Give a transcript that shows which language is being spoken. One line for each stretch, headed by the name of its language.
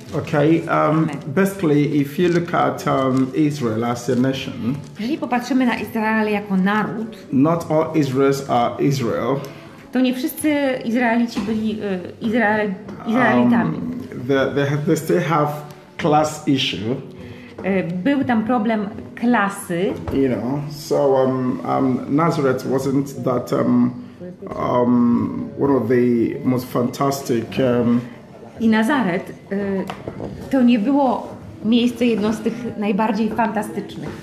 English: Okay, basically, if you look at Israel as a nation,
Polish: jeżeli popatrzymy na Izrael jako naród,
English: not all Israelites are Israel.
Polish: To nie wszyscy Izraelici byli Izraelitami.
English: They still have class issue.
Polish: Był tam problem klasy.
English: You know, so Nazareth wasn't that one of the most fantastic.
Polish: I Nazaret to nie było miejsce jedno z tych najbardziej fantastycznych.